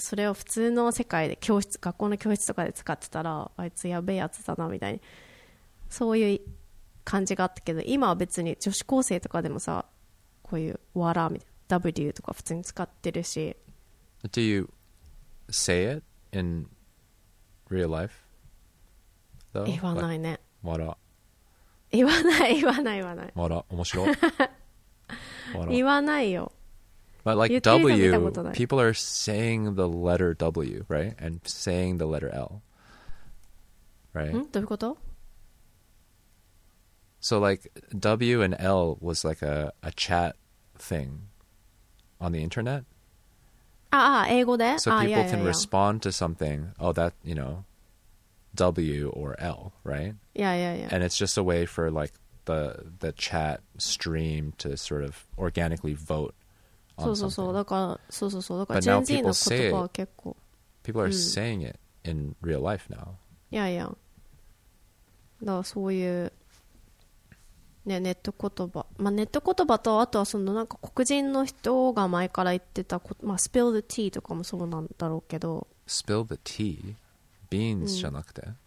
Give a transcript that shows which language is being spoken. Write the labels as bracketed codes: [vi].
[ja] それを普通の世界で教室、学校の教室とかで使ってたら、あいつやべえやつだなみたいに、そういう感じがあったけど、今は別に女子高生とかでもさ、こういうわらみたいな W とか普通に使ってるし。 [en] Do you say it in real life? [ja] 言わないね。わら。言わない、言わない、言わない。わら、面白い。わら。言わないよ。 [en] But like W, people are saying the letter W, right? And saying the letter L, right? [ja] ん？どういうこと？ [en] So like W and L was like a chat thing on the internet. [ja] Ah, ah, 英語で? [en] So people ah, yeah, can yeah, respond yeah. to something, oh, that, you know, W or L, right? Yeah, yeah, yeah. And it's just a way for like the chat stream to sort of organically vote. [ja] そうそうそう、だからそうそうそう、だからジェンZの言葉は結構 [en] people are saying it in real life now. [ja] いやいや、だからそういうね、ネット言葉、まあ、ネット言葉と、あとはそのなんか黒人の人が前から言ってたこ、まあ、 spill the tea とかもそうなんだろうけど、 [en] spill the tea? beans じゃなくて